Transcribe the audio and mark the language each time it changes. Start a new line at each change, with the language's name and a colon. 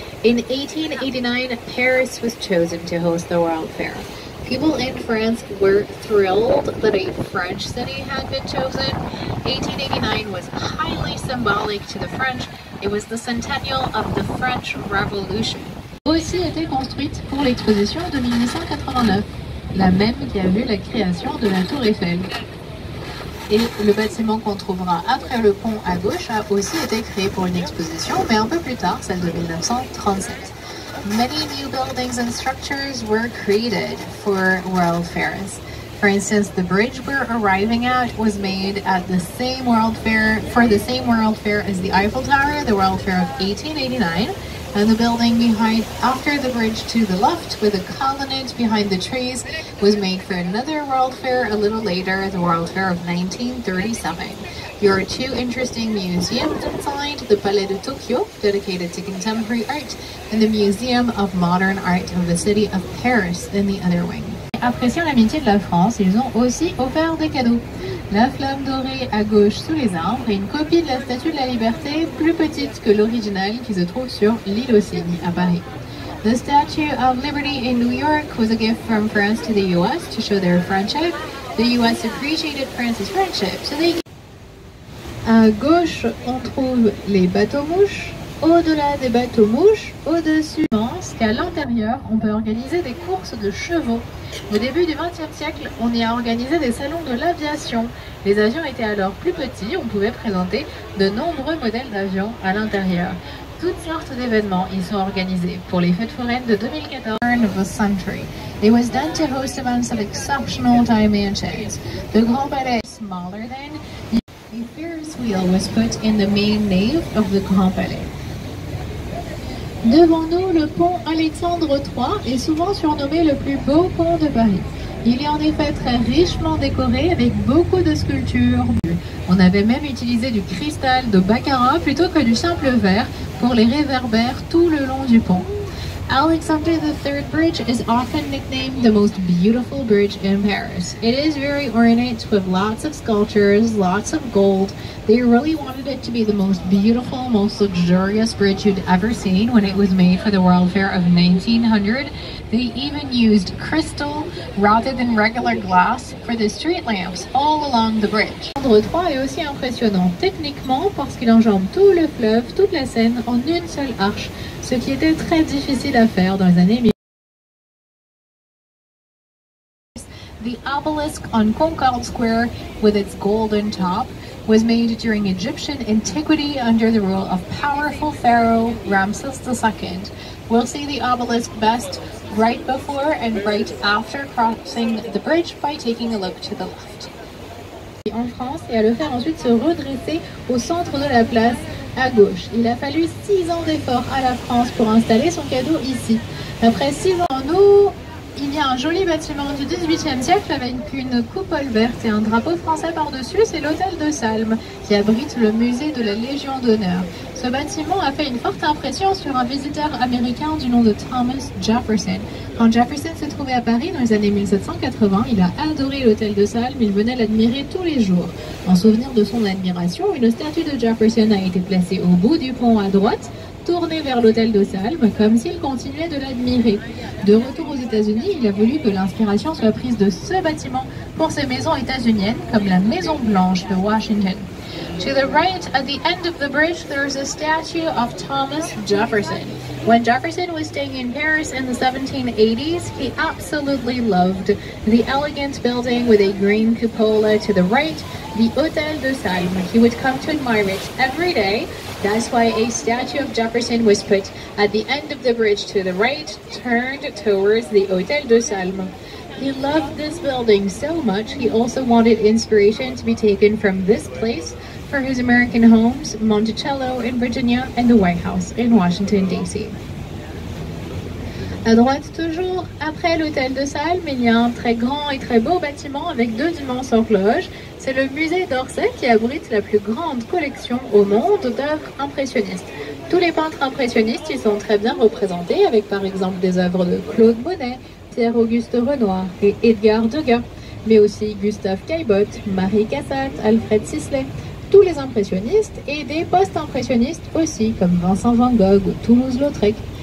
English: In 1889, Paris was chosen to host the World Fair. People in France were thrilled that a French city had been chosen. 1889 was highly symbolic to the French. It was the centennial of the French Revolution.
French: Aussi était construite pour l'exposition de 1889, la même qui a vu la création de la Tour Eiffel. Et le bâtiment qu'on trouvera après le pont à gauche a aussi été créé pour une exposition, mais un peu plus tard, celle de 1937.
English: Many new buildings and structures were created for World Fairs. For instance, the bridge we're arriving at was made at the same World Fair, for the same World Fair as the Eiffel Tower, the World Fair of 1889. And the building behind, after the bridge to the left, with a colonnade behind the trees, was made for another World Fair a little later, the World Fair of 1937. There are two interesting museums inside, the Palais de Tokyo, dedicated to contemporary art, and the Museum of Modern Art of the City of Paris in the other wing.
French: Appréciant l'amitié de la France, ils ont aussi offert des cadeaux. La flamme dorée à gauche sous les arbres et une copie de la statue de la liberté plus petite que l'originale qui se trouve sur l'île aux Cygnes à Paris.
English: The Statue of Liberty in New York was a gift from France to the US to show their friendship. The US appreciated France's friendship, so they...
French: À gauche, on trouve les bateaux mouches. Au-delà des bateaux mouches, au-dessus, on pense qu'à l'intérieur, on peut organiser des courses de chevaux. Au début du XXe siècle, on y a organisé des salons de l'aviation. Les avions étaient alors plus petits, on pouvait présenter de nombreux modèles d'avions à l'intérieur. Toutes sortes d'événements y sont organisés pour les fêtes foraines de 2014.
English: It was done to host events of exceptional dimensions. The Grand Palais, smaller than, a Ferris wheel was put in the main nave of the Grand Palais.
French: Devant nous, le pont Alexandre III est souvent surnommé le plus beau pont de Paris. Il est en effet très richement décoré avec beaucoup de sculptures. On avait même utilisé du cristal de baccarat plutôt que du simple verre pour les réverbères tout le long du pont.
English: Alexandre III Bridge is often nicknamed the most beautiful bridge in Paris. It is very ornate with lots of sculptures, lots of gold. They really wanted it to be the most beautiful, most luxurious bridge you'd ever seen when it was made for the World Fair of 1900. They even used crystal rather than regular glass for the street lamps all along the bridge.
French: Alexandre III est aussi impressionnant techniquement parce qu'il enjambe tout le fleuve, toute la Seine en une seule arche, ce qui était très difficile à faire dans les années 1900.
English: The obelisk on Concord Square with its golden top was made during Egyptian antiquity under the rule of powerful pharaoh Ramses II. We'll see the obelisk best right before and right after crossing the bridge by taking a look to the left.
French: En France et à le faire ensuite se redresser au centre de la place à gauche. Il a fallu 6 ans d'efforts à la France pour installer son cadeau ici. Après 6 ans, nous, il y a un joli bâtiment du 18e siècle avec une coupole verte et un drapeau français par-dessus. C'est l'hôtel de Salm qui abrite le musée de la Légion d'honneur. Ce bâtiment a fait une forte impression sur un visiteur américain du nom de Thomas Jefferson. Quand Jefferson s'est trouvé à Paris dans les années 1780, il a adoré l'hôtel de Salm, il venait l'admirer tous les jours. En souvenir de son admiration, une statue de Jefferson a été placée au bout du pont à droite, tournée vers l'hôtel de Salm, comme s'il continuait de l'admirer. De retour aux États-Unis, il a voulu que l'inspiration soit prise de ce bâtiment pour ses maisons états-uniennes, comme la Maison Blanche de Washington.
English: To the right, at the end of the bridge, there is a statue of Thomas Jefferson. When Jefferson was staying in Paris in the 1780s, he absolutely loved the elegant building with a green cupola to the right, the Hôtel de Salm. He would come to admire it every day. That's why a statue of Jefferson was put at the end of the bridge to the right, turned towards the Hôtel de Salm. He loved this building so much, he also wanted inspiration to be taken from this place for his American homes, Monticello in Virginia, and the White House in Washington, D.C.
French: À droite, toujours après l'Hôtel de Salm, il y a un très grand et très beau bâtiment avec deux immenses horloges. C'est le musée d'Orsay qui abrite la plus grande collection au monde d'œuvres impressionnistes. Tous les peintres impressionnistes y sont très bien représentés, avec par exemple des œuvres de Claude Monet, Pierre-Auguste Renoir et Edgar Degas, mais aussi Gustave Caillebotte, Marie Cassatt, Alfred Sisley, tous les impressionnistes et des post-impressionnistes aussi, comme Vincent van Gogh ou Toulouse-Lautrec.